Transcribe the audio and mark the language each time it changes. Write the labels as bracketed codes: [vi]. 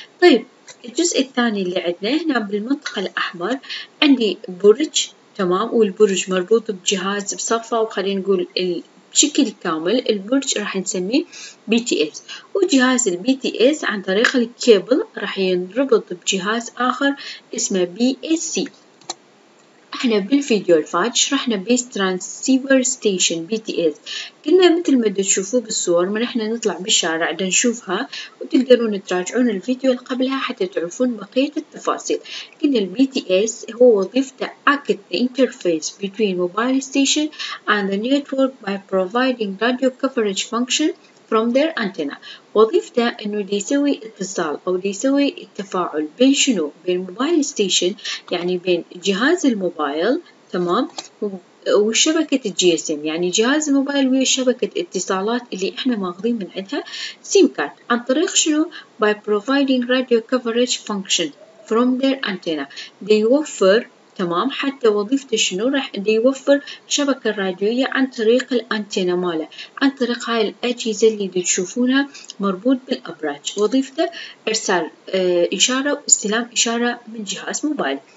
[ar] طيب الجزء الثاني اللي عندنا هنا بالمنطقة الأحمر عندي برج، تمام، والبرج مربوط بجهاز بصفة، وخلينا نقول بشكل كامل البرج راح نسميه بي تي اس، وجهاز البي تي اس عن طريق الكيبل راح ينربط بجهاز آخر اسمه بي اس سي. احنا بالفيديو الفات شرحنا بيس ترانسيفر ستيشن بي تي اس، قلنا مثل ما تشوفوه بالصور من احنا نطلع بالشارع نشوفها، وتقدرون تراجعون الفيديو اللي قبلها حتى تعرفون بقية التفاصيل. قلنا البي تي اس هو وظيفته [en] act the interface between mobile station and the network by providing radio coverage function from their antenna. [ar] وظيفته انه دي يسوي اتصال او دي يسوي التفاعل بين شنو؟ بين موبايل ستيشن، يعني بين جهاز الموبايل، تمام، وشبكة الجي اس ام، يعني جهاز الموبايل ويا شبكة اتصالات اللي احنا ماخذين من عندها سيم كارد. عن طريق شنو؟ [en] by providing radio coverage function from their antenna. [ar] دي يوفر، تمام، حتى وظيفته شنو؟ راح يوفر شبكة راديوية عن طريق الأنتينا ماله، عن طريق هاي الأجهزة اللي تشوفونها مربوط بالأبراج. وظيفته إرسال إشارة واستلام إشارة من جهاز موبايل.